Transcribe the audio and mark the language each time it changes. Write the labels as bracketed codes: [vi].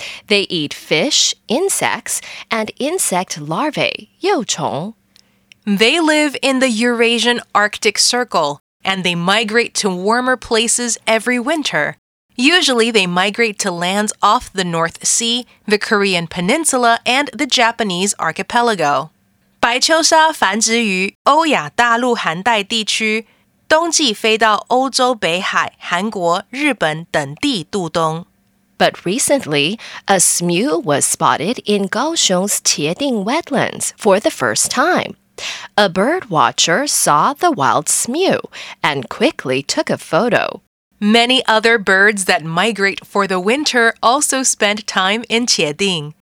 [en] They eat fish, insects, and insect larvae, 幼虫. They live in the Eurasian Arctic Circle, and they migrate to warmer places every winter. Usually, they migrate to lands off the North Sea, the Korean Peninsula, and the Japanese archipelago. [zh] 白秋沙繁殖于欧亚大陆寒带地区，冬季飞到欧洲北海、韩国、日本等地度冬。 [en] But recently, a smew was spotted in Kaohsiung's 茄萣 wetlands for the first time. A birdwatcher saw the wild smew and quickly took a photo. Many other birds that migrate for the winter also spend time in 茄萣.